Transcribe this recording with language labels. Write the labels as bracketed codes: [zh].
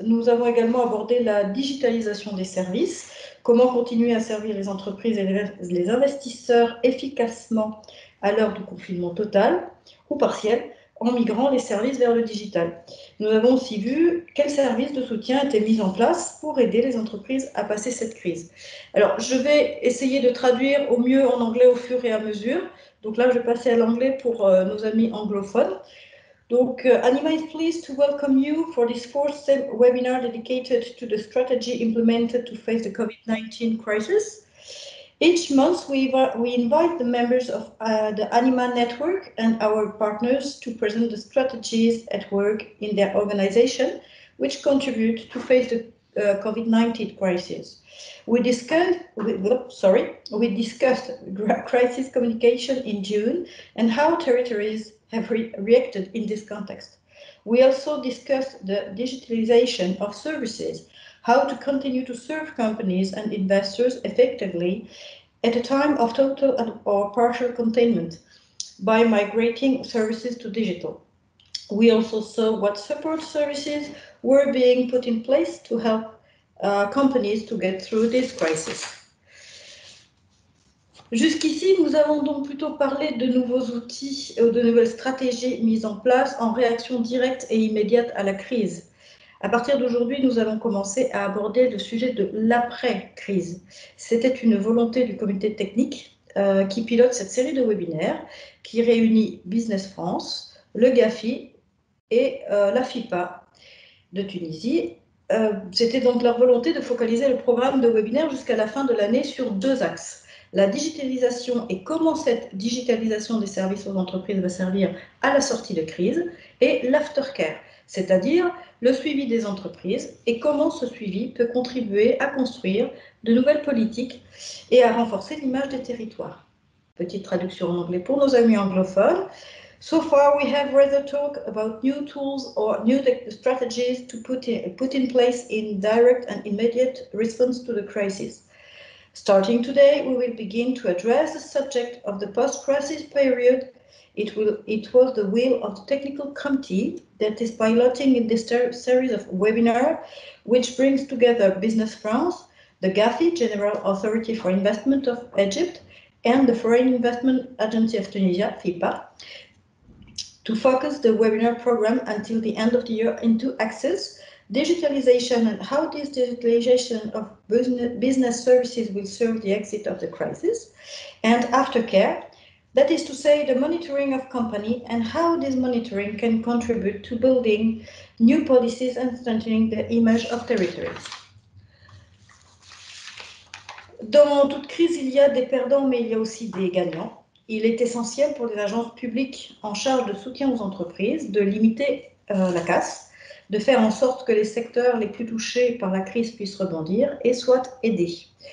[fr] Nous avons également abordé la digitalisation des services, comment continuer à servir les entreprises et les investisseurs efficacement à l'heure du confinement total ou partiel en migrant les services vers le digital. Nous avons aussi vu quels services de soutien étaient mis en place pour aider les entreprises à passer cette crise. Alors, je vais essayer de traduire au mieux en anglais au fur et à mesure. Donc là, je vais passer à l'anglais pour nos amis anglophones. [en] Donc, Anima is pleased to welcome you for this fourth webinar dedicated to the strategy implemented to face the COVID-19 crisis. Each month, we invite the members of the Anima network and our partners to present the strategies at work in their organization, which contribute to face the COVID-19 crisis. We discussed crisis communication in June and how territories have reacted in this context. We also discussed the digitalization of services, how to continue to serve companies and investors effectively at a time of total or partial containment by migrating services to digital. We also saw what support services were being put in place to help companies to get through this crisis. [fr] Jusqu'ici, nous avons donc plutôt parlé de nouveaux outils ou de nouvelles stratégies mises en place en réaction directe et immédiate à la crise. À partir d'aujourd'hui, nous allons commencer à aborder le sujet de l'après-crise. C'était une volonté du comité technique qui pilote cette série de webinaires qui réunit Business France, le GAFI et la FIPA de Tunisie. C'était donc leur volonté de focaliser le programme de webinaires jusqu'à la fin de l'année sur deux axes. La digitalisation et comment cette digitalisation des services aux entreprises va servir à la sortie de crise et l'aftercare, c'est-à-dire le suivi des entreprises et comment ce suivi peut contribuer à construire de nouvelles politiques et à renforcer l'image des territoires. Petite traduction en anglais pour nos amis anglophones. [en] So far, we have rather talked about new tools or new strategies to put in place in direct and immediate response to the crisis. Starting today, we will begin to address the subject of the post-crisis period. It was the will of the technical committee that is piloting in this series of webinars, which brings together Business France, the GAFI, General Authority for Investment of Egypt, and the Foreign Investment Agency of Tunisia, FIPA, to focus the webinar program until the end of the year in two axes: digitalization and how this digitalization of business services will serve the exit of the crisis, and aftercare, that is to say the monitoring of company and how this monitoring can contribute to building new policies and strengthening the image of territories. [fr] Dans toute crise, il y a des perdants, mais il y a aussi des gagnants. Il est essentiel pour les agences publiques en charge de soutien aux entreprises de limiter la casse, de faire en sorte que les secteurs les plus touchés par la crise puissent rebondir et soient aidés.